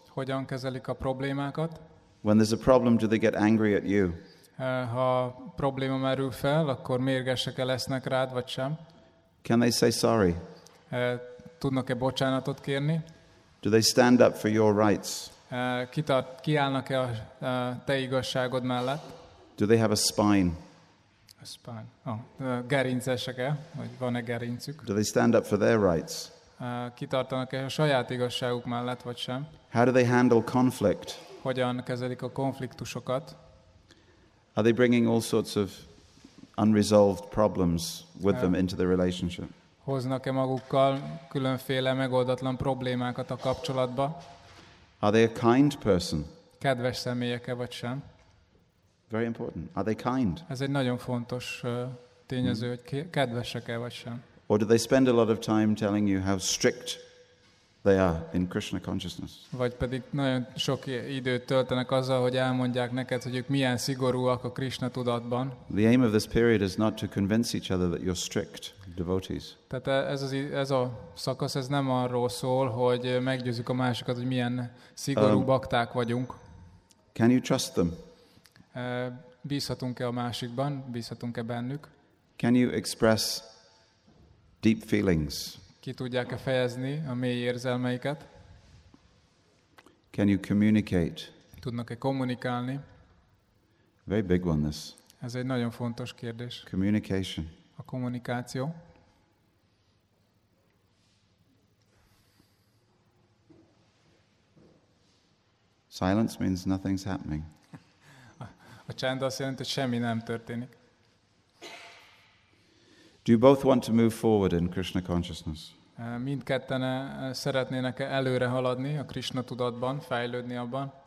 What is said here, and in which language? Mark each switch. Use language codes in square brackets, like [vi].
[hu] Hogyan kezelik a problémákat? [en] When there's a problem, do they get angry at you? [hu] Ha probléma merül fel, akkor mérgesek-e lesznek rád, vagy sem? [en] Can they say sorry? [hu] Tudnak-e bocsánatot kérni? [en] Do they stand up for your rights? [hu] Kiállnak-e a te igazságod mellett? [en] Do they have a spine? A spine. [hu] Gerincesek-e? Vagy van-e gerincük? [en] Do they stand up for their rights? [hu] kitartanak-e a saját igazságuk mellett, vagy sem. [en] How do they handle conflict? [hu] Hogyan kezelik a konfliktusokat? [en] Are they bringing all sorts of unresolved problems with them into the relationship? [hu] Hoznak-e magukkal különféle megoldatlan problémákat a kapcsolatba? [en] Are they a kind person? [hu] Kedves személyek-e vagy sem? [en] Very important. Are they kind? [hu] Ez egy nagyon fontos tényező, hogy kedvesek-e vagy sem. [en] Or do they spend a lot of time telling you how strict they are in Krishna consciousness? [hu] Vagy pedig nagyon sok időt töltenek azzal, hogy elmondják neked, hogy ők milyen szigorúak a Krishna tudatban. [en] The aim of this period is not to convince each other that you're strict devotees. [hu] Tehát ez a szakasz, ez nem arról szól, hogy meggyőzzük a másikat, hogy milyen szigorú bakták vagyunk. [en] Can you trust them? [hu] Bízhatunk-e a másikban? Bízhatunk-e bennük? [en] Can you express deep feelings? [hu] Ki tudják-e fejezni a mély érzelmeiket? [en] Can you communicate? [hu] Tudnak-e kommunikálni? [en] Very big one this. [hu] Ez egy nagyon fontos kérdés. [en] Communication. [hu] A kommunikáció. [en] Silence means nothing's happening. [hu] A csend azt jelenti, hogy semmi nem történik. [en] Do you both want to move forward in Krishna consciousness? [hu] Mindketten szeretnének előre haladni a Krishna tudatban, fejlődni abban.